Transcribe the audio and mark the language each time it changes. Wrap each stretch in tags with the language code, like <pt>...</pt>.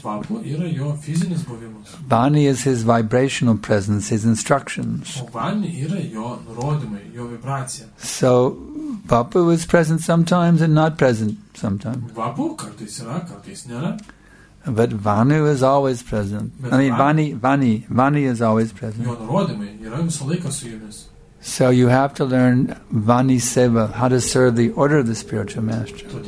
<lt>Vapu yra jo fizinis buvimas.</lt> <en>Vani is his vibrational presence, his instructions.</en> <lt>O Vani yra jo nurodymai, jo vibracija.</lt> <en>So, Vapu is present sometimes and not present sometimes.</en> <lt>Vapu kartais yra, kartais nėra.</lt> <en>But Vani is always present.</en> <lt>Bet</lt> <en>I mean, Vani is always present.</en> <lt>Jo nurodymai yra visą laiką su jumis.</lt> <en>So you have to learn Vani Seva, how to serve the order of the spiritual master.</en>